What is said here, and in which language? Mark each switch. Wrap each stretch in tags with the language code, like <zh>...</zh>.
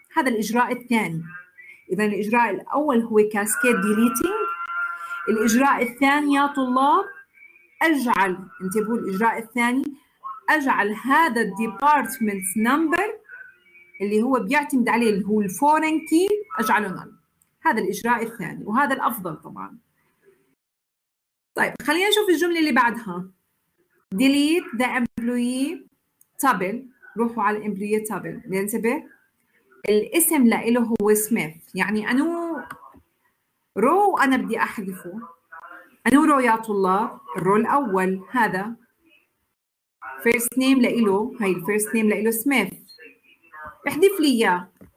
<ar>هذا الإجراء الثاني. إذا الإجراء الأول هو كاسكيد ديليتينج، الإجراء الثاني يا طلاب أجعل، انتبهوا الإجراء الثاني، أجعل هذا الديبارتمنت نمبر اللي هو بيعتمد عليه اللي هو الفورين كي أجعله نل. هذا الإجراء الثاني وهذا الأفضل طبعا. طيب خلينا نشوف الجملة اللي بعدها.</ar> <en>Delete the employee table.</en> <ar>روحوا على employee table. ننتبه الاسم لإله هو سميث. يعني أنو رو أنا بدي أحذفه؟ أنو رو يا طلاب؟ الرو الأول هذا first name لإله، هاي first name لإله سميث، احذف لي إياه.</ar>